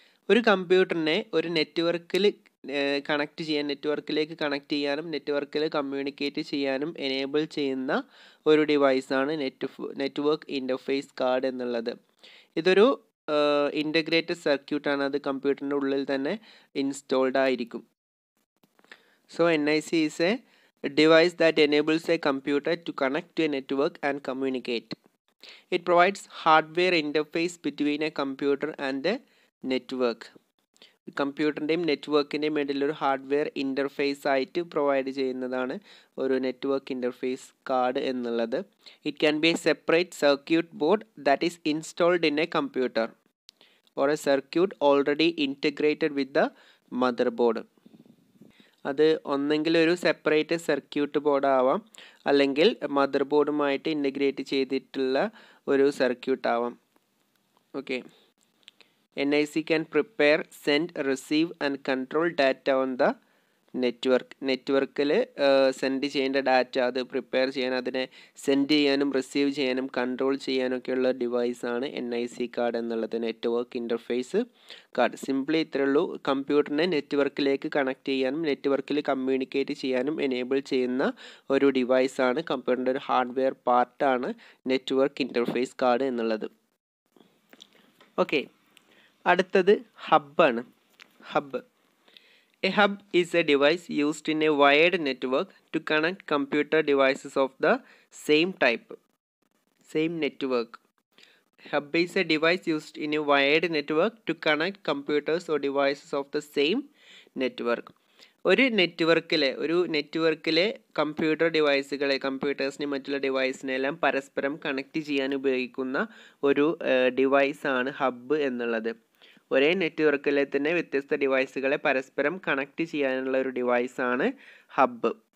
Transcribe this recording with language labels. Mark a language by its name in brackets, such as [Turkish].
[Malayalam] ഒരു കമ്പ്യൂട്ടറിനെ ഒരു നെറ്റ്വർക്കിൽ കണക്റ്റ് ചെയ്യാൻ, നെറ്റ്വർക്കിലേക്ക് കണക്റ്റ് ചെയ്യാനും നെറ്റ്വർക്കിൽ കമ്മ്യൂണിക്കേറ്റ് ചെയ്യാനും എനേബിൾ ചെയ്യുന്ന ഒരു ഡിവൈസാണ് നെറ്റ്വർക്ക് ഇൻ്റർഫേസ് കാർഡ് എന്നുള്ളത്. ഇതൊരു ഇൻ്റഗ്രേറ്റഡ് സർക്യൂട്ടാണ്, അത് കമ്പ്യൂട്ടറിൻ്റെ ഉള്ളിൽ തന്നെ ഇൻസ്റ്റോൾഡ് ആയിരിക്കും. [English] So NIC is a device that enables a computer to connect to a network and communicate. It provides hardware interface between a computer and the network. [Malayalam] Computer ൻ്റെയും നെറ്റ്വർക്കിൻ്റെയും ഇടയിൽ ഒരു ഹാർഡ്വെയർ ഇൻ്റർഫേസ് ആയിട്ട് പ്രൊവൈഡ് ചെയ്യുന്നതാണ് ഒരു network interface card എന്നുള്ളത്. [English] It can be a separate circuit board that is installed in a computer or a circuit already integrated with the motherboard. [Malayalam] അത് ഒന്നെങ്കിൽ ഒരു സെപ്പറേറ്റ് സർക്യൂട്ട് ബോർഡാവാം, അല്ലെങ്കിൽ മദർ ബോർഡുമായിട്ട് ഇൻ്റഗ്രേറ്റ് ചെയ്തിട്ടുള്ള ഒരു സർക്യൂട്ട് ആവാം. [English] Okay, NIC can prepare, send, receive and control data on the network. [Malayalam] നെറ്റ്വർക്കിൽ send ചെയ്യേണ്ട data, അത് പ്രിപ്പയർ ചെയ്യാൻ, അതിനെ സെൻഡ് ചെയ്യാനും റിസീവ് ചെയ്യാനും കൺട്രോൾ ചെയ്യാനൊക്കെയുള്ള ഡിവൈസാണ് NIC കാർഡ് എന്നുള്ളത്, നെറ്റ്വർക്ക് ഇൻ്റർഫേസ് കാർഡ്. സിംപ്ലി ഇത്രയേ ഉള്ളൂ, കമ്പ്യൂട്ടറിനെ നെറ്റ്വർക്കിലേക്ക് കണക്ട് ചെയ്യാനും നെറ്റ്വർക്കിൽ കമ്മ്യൂണിക്കേറ്റ് ചെയ്യാനും എനേബിൾ ചെയ്യുന്ന ഒരു ഡിവൈസാണ് കമ്പ്യൂട്ടറിൻ്റെ ഒരു ഹാർഡ്വെയർ പാർട്ടാണ് നെറ്റ്വർക്ക് ഇൻ്റർഫേസ് കാർഡ് എന്നുള്ളത്. ഓക്കെ, അടുത്തത് ഹബ്ബാണ്. [English] Hub, A hub is a device used in a wired network to connect computer devices of the same type, same network. Hub is a device used in a wired network to connect computers or devices of the same network. [Malayalam] ഒരു നെറ്റ്വർക്കിലെ computer ഡിവൈസുകളെ, കമ്പ്യൂട്ടേഴ്സിനെ, മറ്റുള്ള ഡിവൈസിനെല്ലാം പരസ്പരം connect ചെയ്യാൻ ഉപയോഗിക്കുന്ന ഒരു ഡിവൈസാണ് hub എന്നുള്ളത്. ഒരേ നെറ്റ്വർക്കിലെ തന്നെ വ്യത്യസ്ത ഡിവൈസുകളെ പരസ്പരം കണക്റ്റ് ചെയ്യാനുള്ള ഒരു ഡിവൈസാണ് ഹബ്ബ്.